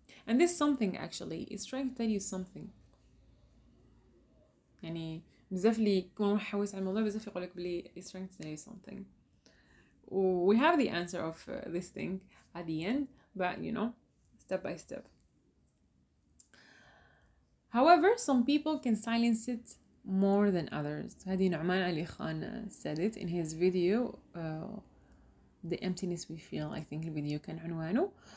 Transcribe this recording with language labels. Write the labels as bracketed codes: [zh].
[en] And this something actually is trying to tell you something. [ar] يعني بزاف لي كون حوس على الموضوع بزاف يقولك بلي [en] is trying to tell you something. We have the answer of this thing at the end, but you know, step by step. However, some people can silence it more than others. هذه Nouman Ali Khan said it in his video, The Emptiness We Feel, I think [ar] الفيديو كان عنوانه.